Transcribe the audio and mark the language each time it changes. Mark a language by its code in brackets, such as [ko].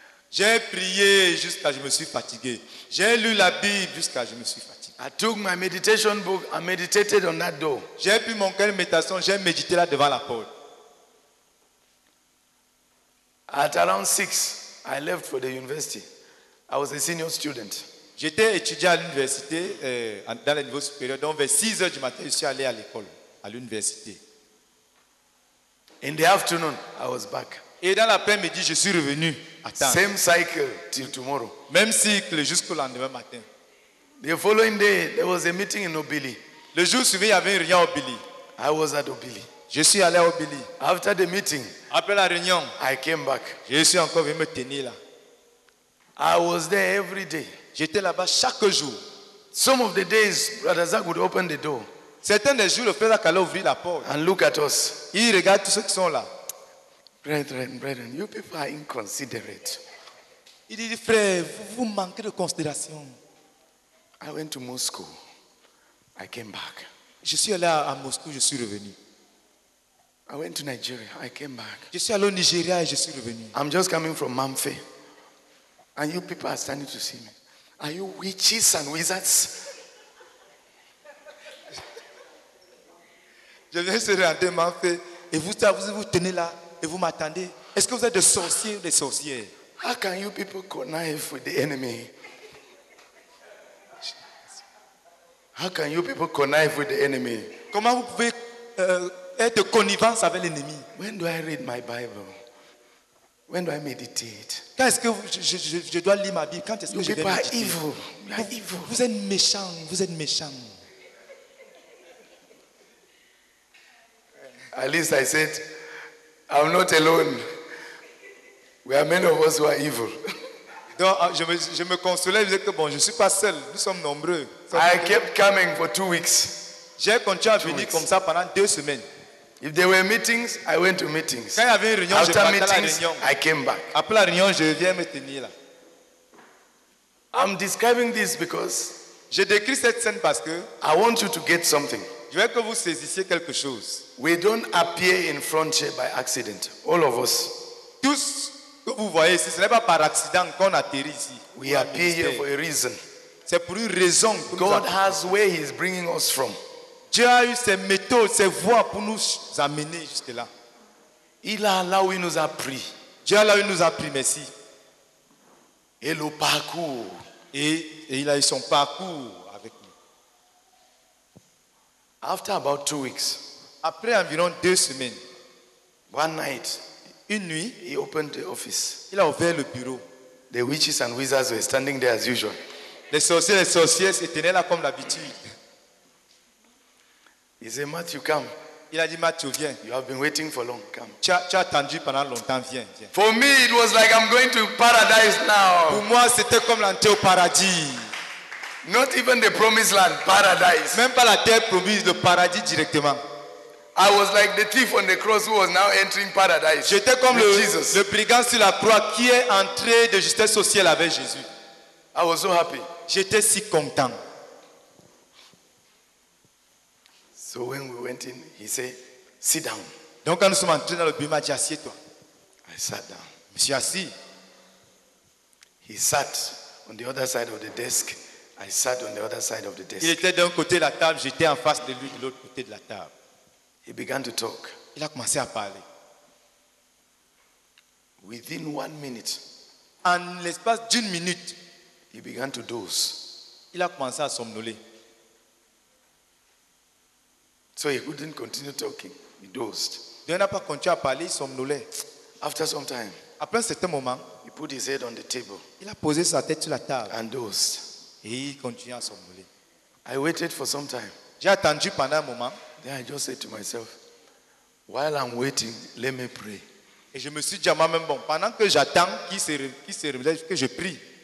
[fr] J'ai prié jusqu'à ce que je me suis fatigué. J'ai lu la Bible jusqu'à ce que je me suis fatigué. [en] I took my meditation book and meditated on that door. [fr] J'ai pris mon cœur de méditation, j'ai médité là devant la porte. [en] At around 6, I left for the university. I was a senior student. [fr] J'étais étudiant à l'université, dans le niveau supérieur. Donc vers 6 heures du matin, je suis allé à l'école, à l'université. [en] In the afternoon, I was back. [fr] Et dans l'après-midi, je suis revenu. Attends. [en] Same cycle till tomorrow. [fr] Même cycle jusqu'au lendemain matin. [en] The following day, there was a meeting in Obili. [fr] Le jour suivant, il y avait une réunion à Obili. [en] I was at Obili. [fr] Je suis allé à Obili. [en] After the meeting, [fr] après la réunion, [en] I came back. [fr] Je suis encore venu me tenir là. [en] I was there every day. [fr] J'étais là-bas chaque jour. [en] Some of the days, Brother Zach would open the door. [fr] Certains des jours, le frère Zach allait ouvrir la porte. [en] And look at us. [fr] Il regarde tous ceux qui sont là. [en] Brethren, you people are inconsiderate. [fr] Il dit, frère, vous manquez de considération. [en] I went to Moscow. I came back. [fr] Je suis allé à Moscou, je suis revenu. [en] I went to Nigeria. I came back. [fr] Je suis allé au Nigeria et je suis revenu. [en] I'm just coming from Mamfe. And you people are standing to see me. Are you witches and wizards? [fr] Je viens de rentrer Mamfe. Et vous tenez là et vous m'attendez. Est-ce que vous êtes des sorciers ou des sorcières? [en] How can you people connive with the enemy? How can you people connive with the enemy? [fr] Comment vous pouvez être connivence avec l'ennemi. [en] When do I read my Bible? When do I meditate? [fr] Quand est-ce que je dois lire ma Bible? Quand est-ce que je vais méditer? [en] You are evil. [fr] Vous êtes méchant. Vous êtes méchant. [en] At least I said, I'm not alone. We are many of us who are evil. [fr] Donc je me consolais, je disais que bon, je suis pas seul. Nous sommes nombreux. [en] I kept coming for 2 weeks. [fr] J'ai continué à venir comme ça pendant 2 semaines. [en] If there were meetings, I went to meetings. [fr] Quand il y avait une réunion, [en] after [fr] je [en] meetings, [fr] à la réunion. [en] I came back. [fr] Après la réunion, je viens me tenir là. [en] I'm describing this because [fr] je décris cette scène parce que [en] I want you to get something. [fr] Je veux que vous saisissiez quelque chose. [en] We don't appear in front by accident, all of us. [fr] Tous que vous voyez ici, ce n'est pas par accident qu'on atterrit ici. [en] We are here for a reason. [fr] C'est pour une raison. [en] God has where he is bringing us from. [fr] Dieu a eu ses méthodes, ses voies pour nous amener jusque là. Il a là où il nous a pris. Dieu a là où il nous a pris, merci. Et le parcours. Et il a eu son parcours avec nous. [en] After about 2 weeks. [fr] Après environ 2 semaines. [en] One night. [fr] Une nuit. [en] He opened the office. [fr] Il a ouvert le bureau. [en] The witches and wizards were standing there as usual. [fr] Les sorciers et les sorcières se tenaient là comme d'habitude. [en] He said, Mathew, come. [fr] Il a dit, Mathew, viens. [en] You have been waiting for long, come. [fr] Tu as attendu pendant longtemps, viens, viens. [en] For me, it was like I'm going to paradise now. [fr] Pour moi, c'était comme l'entrée au paradis. [en] Not even the promised land, paradise. [fr] Même pas la terre promise, le paradis directement. [en] I was like the thief on the cross who was now entering paradise. [fr] J'étais comme [en] with Jesus. [fr] Le brigand sur la croix qui est entré de justesse au ciel avec Jésus. [en] I was so happy. [fr] J'étais si content. [en] So when we went in, he said, sit down. [fr] Donc quand nous sommes entrés dans le bureau, il m'a dit, assieds-toi. [en] I sat down. [fr] Je suis assis. [en] He sat on the other side of the desk. I sat on the other side of the desk. [fr] Il était d'un côté de la table, j'étais en face de lui de l'autre côté de la table. [en] He began to talk. [fr] Il a commencé à parler. [en] Within 1 minute. [fr] En l'espace d'une minute. [en] He began to doze. [fr] Il a commencé à somnoler. [en] So he couldn't continue talking. He dozed. [fr] Donc, il n'a pas continué à parler, il somnolait. [en] After some time, [fr] après un certain moment, [en] he put his head on the table. [fr] Il a posé sa tête sur la table. [en] And dozed. [fr] Et il continuait à somnoler. [en] I waited for some time. [fr] J'ai attendu pendant un moment. [en] Then I just said to myself, while I'm waiting, let me pray. [fr] Et je me suis dit à moi-même, bon, pendant que j'attends qu'il se relève, que je prie.